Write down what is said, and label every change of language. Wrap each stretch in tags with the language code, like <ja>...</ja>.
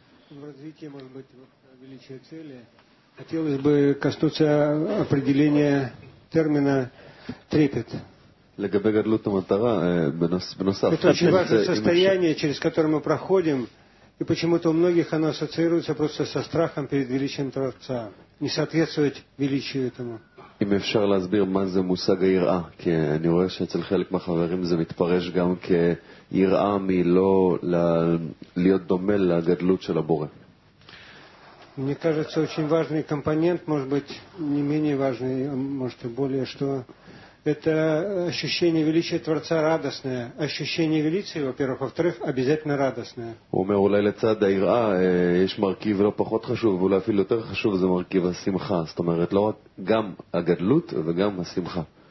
<ru>В развитии, может быть, величия цели хотелось бы коснуться определения термина «трепет». Это очень важное состояние, через которое мы проходим, и почему-то у многих оно ассоциируется просто со страхом перед величием Творца, не соответствовать величию этому.</ru> <he>אם אפשר להסביר מה זה מושג היראה, כי אני רואה שאצל חלק מהחברים זה מתפרש גם כיראה מלא להיות דומה לגדלות של הבורא.</he> <ru>Мне кажется, очень важный компонент, может быть, не менее важный, может, и более, что это ощущение величия Творца радостное. Ощущение величия, во-первых, во-вторых, обязательно радостное.</ru> <he>הוא אומר, אולי לצד היראה יש מרכיב לא פחות חשוב, ואולי אפילו יותר חשוב, זה מרכיב השמחה. זאת אומרת, לא רק גם הגדלות וגם השמחה.</he>